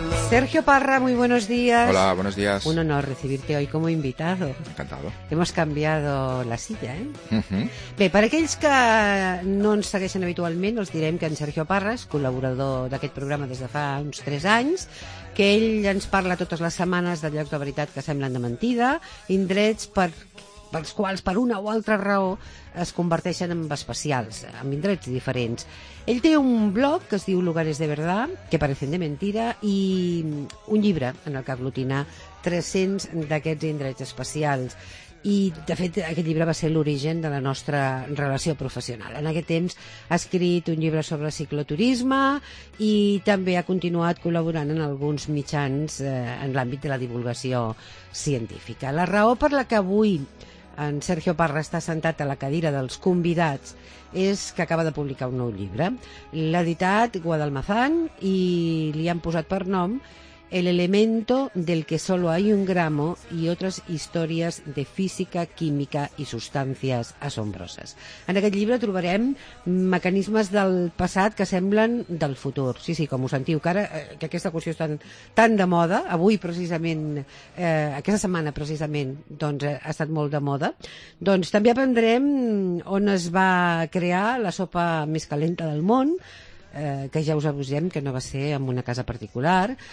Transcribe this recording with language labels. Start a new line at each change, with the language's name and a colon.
Spanish: Sergio Parra, muy buenos días. Hola, buenos días. Un honor recibirte hoy como invitado. Encantado. Hemos cambiado la silla, ¿eh?
Catalan: Bé, per aquells que no ens segueixen habitualment, els direm que en Sergio Parra és col·laborador d'aquest programa des de fa uns 3 anys, que ell ens parla totes les setmanes de llocs de veritat que semblen de mentida, indrets pels quals, per una o altra raó, es converteixen en especials, en indrets diferents. Ell té un blog que es diu Lugares de Verdad, que parecen de mentira, i un llibre en el que aglutina 300 d'aquests indrets especials. I, de fet, aquest llibre va ser l'origen de la nostra relació professional. En aquest temps ha escrit un llibre sobre cicloturisme i també ha continuat col·laborant en alguns mitjans en l'àmbit de la divulgació científica. La raó per la que avui en Sergio Parra està sentat a la cadira dels convidats és que acaba de publicar un nou llibre. L'ha editat Guadalmazán i li han posat per nom El elemento del que solo hay un gramo y otras historias de física, química y sustancias asombrosas. En aquest llibre trobarem mecanismes del passat que semblen del futur. Sí, sí, com ho sentiu, que ara que aquesta qüestió és tan de moda, avui precisament, aquesta setmana precisament, doncs ha estat molt de moda, doncs també aprendrem on es va crear la sopa més calenta del món, que ja us avisem que no va ser en una casa particular.